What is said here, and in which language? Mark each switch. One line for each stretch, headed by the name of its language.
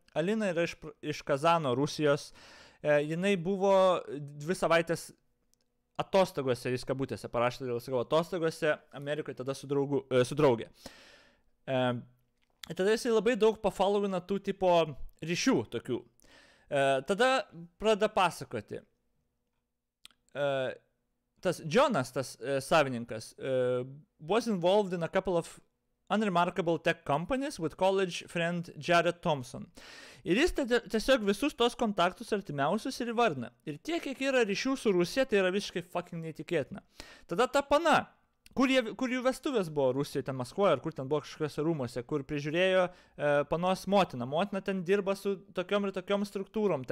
Lithuanian: Alina yra iš Kazano, Rusijos. Jinai buvo dvi savaitės atostogose, jis kabutėse parašė, dėl sakau, atostogose Amerikoje tada su draugė. Tada jisai labai daug pafollowina tų tipo ryšių tokių. Tada pradeda pasakoti. Tas Jonas, tas savininkas,
English: was involved in a couple of unremarkable tech companies with college friend Jared Thompson.
Lithuanian: Ir jis tiesiog visus tos kontaktus artimiausius ir įvardina. Ir tiek, kiek yra ryšių su Rusija, tai yra visiškai fucking neįtikėtina. Tada ta pana, kur jų vestuvės buvo Rusijoje, ten Maskvoje, ar kur ten buvo kažkokiose rūmose, kur prižiūrėjo panos motiną. Motina ten dirba su tokiom ir tokiom struktūrom.